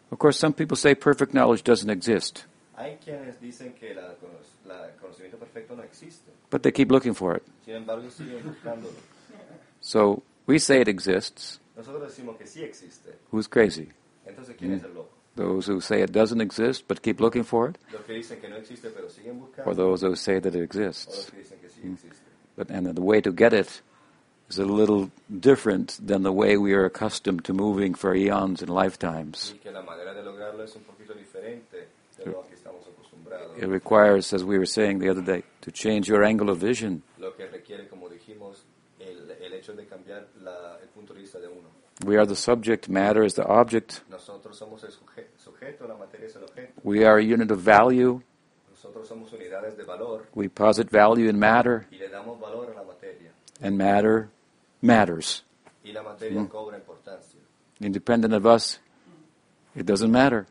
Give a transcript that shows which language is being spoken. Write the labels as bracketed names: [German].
[English] Of course, some people say perfect knowledge doesn't exist. [Spanish] Hay quienes dicen que la conocimiento perfecto no existe. [English] But they keep looking for it. [Spanish] Sin embargo, siguen buscándolo. [English] So we say it exists. [Spanish] Nosotros decimos que sí existe. [English] Who's crazy? [Spanish] Entonces, ¿quién es el loco? [English] Those who say it doesn't exist but keep looking for it. [Spanish] Los que dicen que no existe, pero siguen buscando. [English] Or those who say that it exists. [Spanish] O los que dicen que sí existe. [English] But and the way to get it is a little different than the way we are accustomed to moving for eons and lifetimes. [Spanish] Y que la manera de lograrlo es un poquito diferente de lo que estamos acostumbrados. [English] It requires, as we were saying the other day, to change your angle of vision. [Spanish] Lo que requiere, como dijimos, el hecho de cambiar el punto de vista de uno. [English] We are the subject, matter is the object. [Spanish] Nosotros somos el sujeto, la materia es el objeto. [English] We are a unit of value. [Spanish] Nosotros somos unidades de valor. [English] We posit value in matter. [Spanish] Y le damos valor a la materia. [English] And matter matters. [Spanish] Y la materia cobra importancia. [English] Independent of us, it doesn't matter.